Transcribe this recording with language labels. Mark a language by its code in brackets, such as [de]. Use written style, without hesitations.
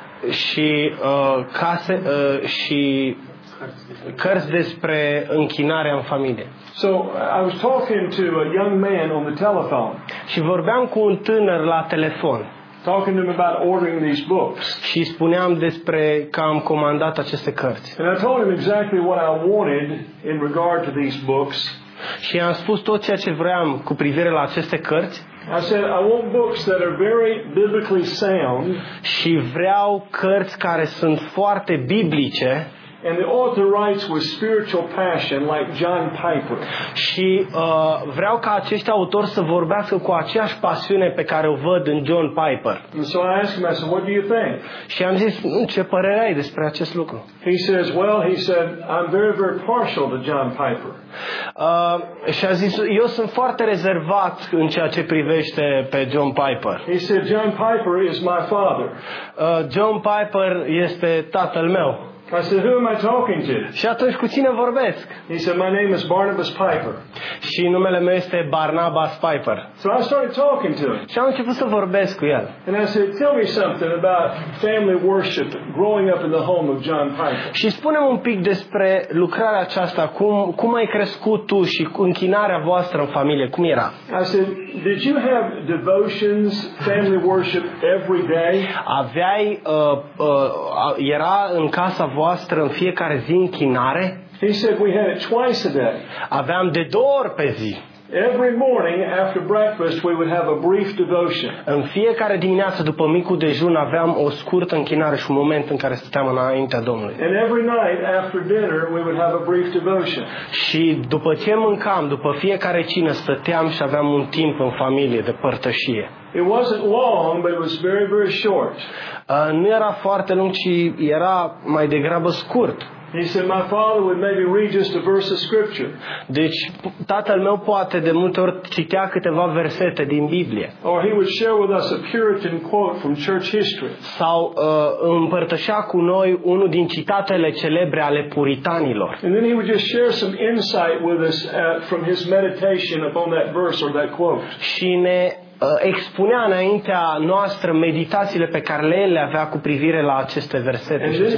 [ro] Și case și cărți despre închinarea în familie. [en] So I was talking to a young man on the telephone. [ro] Și vorbeam cu un tânăr la telefon. [en] Talking to him about ordering these books. [ro] Și spuneam despre că am comandat aceste cărți. [en] And I told him exactly what I wanted in regard to these books. [ro] Și am spus tot ceea ce vreau cu privire la aceste cărți. [en] I said I want books that are very biblically sound. [ro] Și vreau cărți care sunt foarte biblice. [en] And the author writes with spiritual passion like John Piper. [ro] Și vreau ca acești autori să vorbească cu aceeași pasiune pe care o văd în John Piper. [en] And so I asked him, I said, what do you think? [ro] Și am zis, ce părere ai despre acest lucru? [en] He says, well, he said, I'm very, very partial to John Piper. [ro] Și a zis, eu sunt foarte rezervat în ceea ce privește pe John Piper. [en] He said, John Piper is my father. [ro] John Piper este tatăl meu. [en] I said, who am I talking to? [ro] Și atunci cu cine vorbesc? [en] He said, my name is Barnabas Piper. [ro] Și numele meu este Barnabas Piper. [en] So I started talking to him. [ro] Și am început să vorbesc cu el. [en] And I said, tell me something about family worship growing up in the home of John Piper. [ro] Și spune-mi un pic despre lucrarea aceasta, cum ai crescut tu și închinarea voastră în familie, cum era? [en] I said, did you have devotions, family worship every day? [ro] Aveai era în casa voastră în fiecare zi închinare? [en] He said we had it twice a day. [ro] Aveam de două ori pe zi. [en] Every morning after breakfast we would have a brief devotion. [ro] În fiecare dimineață după micul dejun aveam o scurtă închinare și un moment în care stăteam înaintea Domnului. [en] And every night after dinner we would have a brief devotion. [ro] Și după ce mâncam, după fiecare cină stăteam și aveam un timp în familie de părtășie. [en] It wasn't long, but it was very, very short. [ro] Nu era foarte lung, ci era mai degrabă scurt. [en] He said, my father would maybe read just a verse of scripture. [ro] Deci, tatăl meu poate de multe ori citea câteva versete din Biblie. [en] Or he would share with us a Puritan quote from church history. [ro] Sau împărtășea cu noi unul din citatele celebre ale puritanilor. [en] And then he would just share some insight with us from his meditation upon that verse or that quote. [ro] Și ne expunea înaintea noastră meditațiile pe care el le avea cu privire la aceste versete.